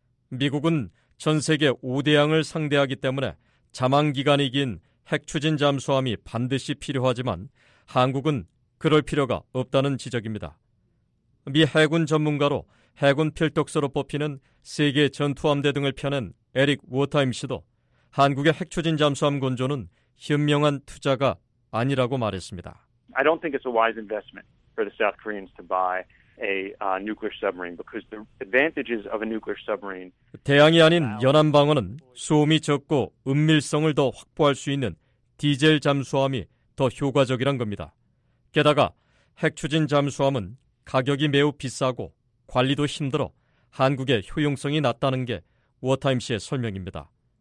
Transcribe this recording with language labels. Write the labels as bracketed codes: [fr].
[ko] 미국은 전 세계 5대양을 상대하기 때문에 잠항 기간이 긴 핵 추진 잠수함이 반드시 필요하지만 한국은 그럴 필요가 없다는 지적입니다. 미 해군 전문가로 해군 필독서로 뽑히는 세계 전투함대 등을 펴낸 에릭 워타임 씨도 한국의 핵 추진 잠수함 건조는 현명한 투자가 아니라고 말했습니다. [en] I don't think it's a wise investment for the South Koreans to buy nuclear submarine because the advantages of a nuclear submarine. [ko] 대양이 아닌 연안 방어는 수음이 적고 은밀성을 더 확보할 수 있는 디젤 잠수함이 더 효과적이란 겁니다. 게다가 핵 추진 잠수함은 가격이 매우 비싸고 관리도 힘들어 한국의 효용성이 낮다는 게 워타임스의 설명입니다.